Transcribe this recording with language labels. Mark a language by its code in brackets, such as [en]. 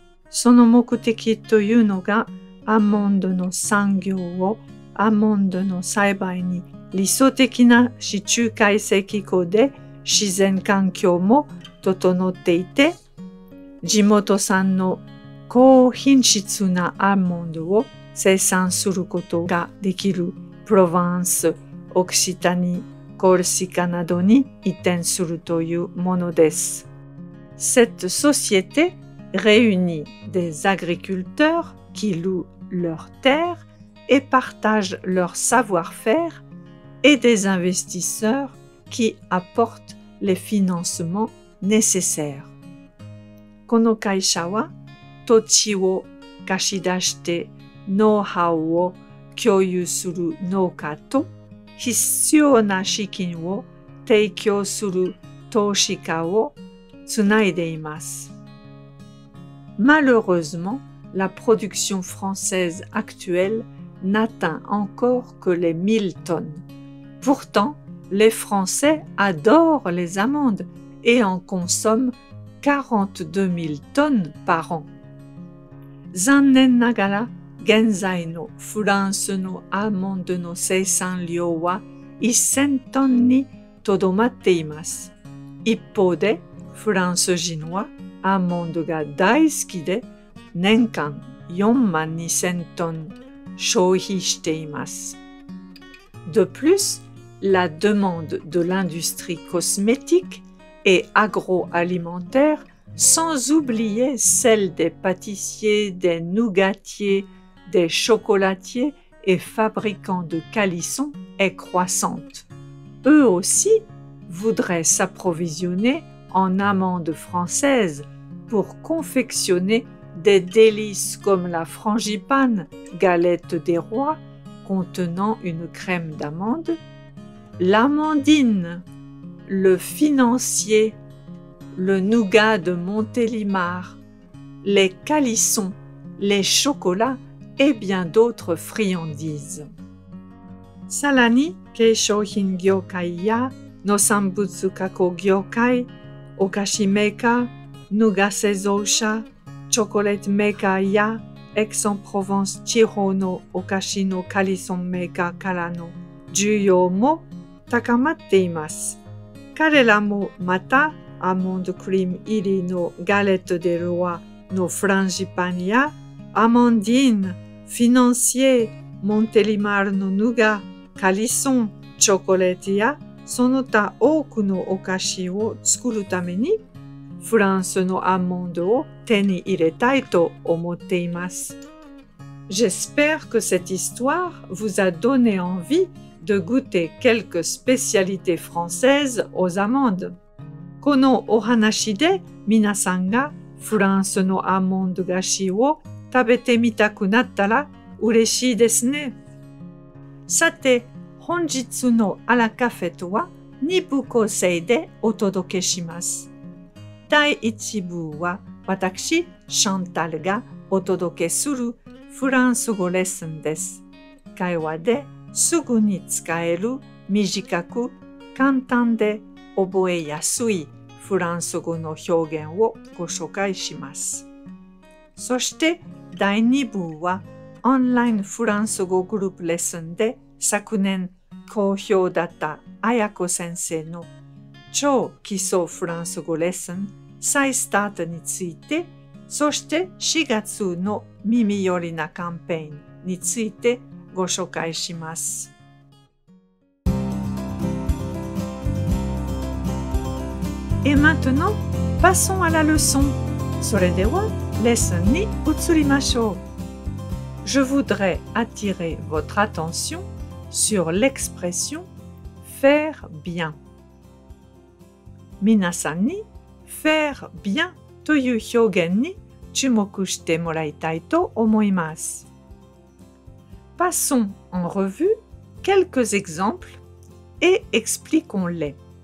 [ja] その目的というのが、アーモンドの産業をアーモンドの栽培に理想的な地中海性気候で自然環境も整っていて、地元産の高品質なアーモンドを生産することができる。プロヴァンス、オクシタニ、コルシカなどに移転するというものです。 [fr] Cette société réunit des agriculteurs qui louent leurs terres et partagent leur savoir-faire et des investisseurs qui apportent les financements nécessaires. [ja] この会社は、土地を貸し出して、ノウハウを共有する農家と必要な資金を提供する投資家をつないでいます。 [fr] Malheureusement, la production française actuelle n'atteint encore que les 1000 tonnes. Pourtant, les Français adorent les amandes et en consomment 42 000 tonnes par an. [ja] 残念ながら、現在のフランスのアーモンドの生産量は1000トンにとどまっています。一方で、フランス人はアーモンドが大好きで、年間4万2000トン消費しています。 [fr] De plus, la demande de l'industrie cosmétique et agroalimentaire, sans oublier celle des pâtissiers, des nougatiers, des chocolatiers et fabricants de calissons, est croissante. Eux aussi voudraient s'approvisionner en amandes françaises pour confectionner des délices comme la frangipane, galette des rois, contenant une crème d'amande, l'amandine, le financier, le nougat de Montélimar, les calissons, les chocolats et bien d'autres friandises. [ja] さらに、化粧品業界や農産物加工業界、お菓子メーカー、ヌガ製造者、チョコレートメーカーや、エクソン・プロヴァンス地方のお菓子のカリソンメーカーからの需要も高まっています。彼らもまた、アーモンドクリーム入りのガレット・デ・ロワのフランジパンや、アマンディーン、フィナンシエ、モンテリマールのヌガ、カリソン、チョコレートや、その他多くのお菓子を作るために、フランスのアーモンドを手に入れたいと思っています。 [fr] J'espère que cette histoire vous a donné envie de goûter quelques spécialités françaises aux amandes. [ja] このお話で皆さんがフランスのアーモンド菓子を食べてみたくなったら嬉しいですね。さて、本日のアラカフェとは2部構成でお届けします。第1部は私、シャンタルがお届けするフランス語レッスンです。会話ですぐに使える短く簡単で覚えやすいフランス語の表現をご紹介します。そして第2部はオンラインフランス語グループレッスンで昨年好評だった彩子先生の超基礎フランス語レッスン再スタートについて、そして4月の耳寄りなキャンペーンについてご紹介します。 [fr] Et maintenant, passons à la leçon. [ja] それでは、レッスンに移りましょう。 [fr] Je voudrais attirer votre attention sur l'expression faire bien. [ja] 皆さんに faire bien という表現に注目してもらいたいと思います。 [fr] Passons en revue quelques exemples et expliquons-les.